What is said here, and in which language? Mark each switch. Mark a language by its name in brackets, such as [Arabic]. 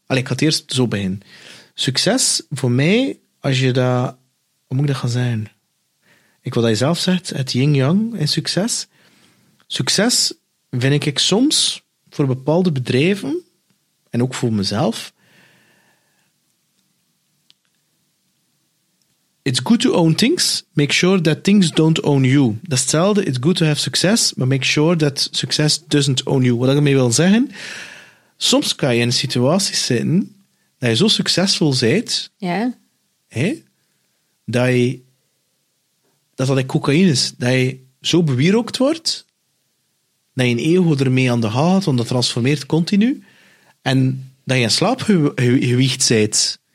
[Dutch] Allee, ik ga het eerst zo beginnen. Succes, voor mij, als je dat... Hoe moet ik dat gaan zeggen? Ik wil dat je zelf zegt, het yin-yang is succes. Succes vind ik soms voor bepaalde bedrijven, en ook voor mezelf... [English] It's good to own things, make sure that things don't own you. [Dutch] Dat is hetzelfde, [English] it's good to have success, but make sure that success doesn't own you. [Dutch] Wat ik ermee wil zeggen, soms kan je in een situatie zitten dat je zo succesvol bent, [English] yeah. [Dutch] Hey, dat cocaïne is, dat je zo bewierookt wordt, dat je een ego ermee aan de haal gaat, want dat transformeert continu, en dat je in slaap gewiegd bent,